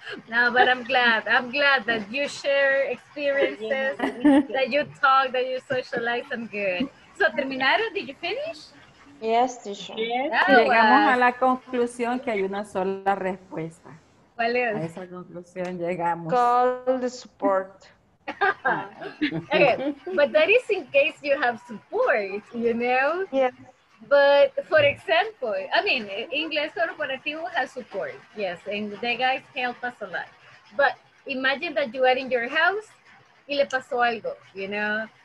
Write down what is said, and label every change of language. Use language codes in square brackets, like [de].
[en] No, but I'm glad that you share experiences, that you talk, that you socialize. I'm good. So [es] terminaron? [en] Did you finish? Yes, teacher. Yes. [es] Llegamos a la conclusión que hay una sola respuesta. ¿Cuál es? A esa conclusión llegamos. [en] Call the support. Okay, but that is in case you have support, you know? Yes. But for example, I mean, Inglés Corporativo has support, yes, and they guys help us a lot. But imagine that you are in your house [es] y le pasó algo, [en] you know?